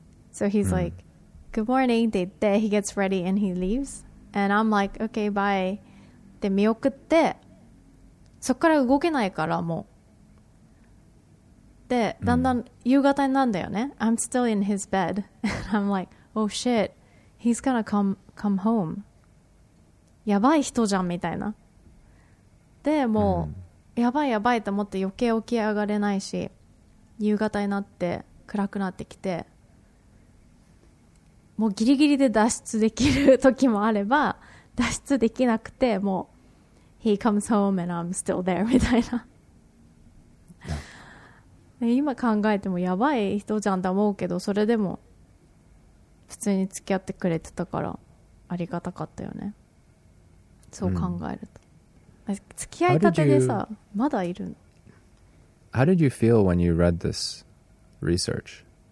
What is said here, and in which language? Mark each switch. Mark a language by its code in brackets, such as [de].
[en] So he's like, good morning, [ja] って言って、 [en] he gets ready and he leaves. And I'm like, okay, bye. [ja] で、見送って、そこから動けないからもう。で、だんだん夕方になるんだよね。 [en] I'm still in his bed. And I'm like, oh shit, he's gonna come home. [ja] やばい人じゃん、みたいな。でもう、やばいやばいと思って余計起き上がれないし夕方になって暗くなってきてもうギリギリで脱出できる時もあれば脱出できなくてもう [en] He comes home and I'm still there [ja] みたいな今考えてもやばい人じゃんと思うけどそれでも普通に付き合ってくれてたからありがたかったよねそう考えると、付き合いたてでさ、まだいるの。 [en] How did you feel when you read this research?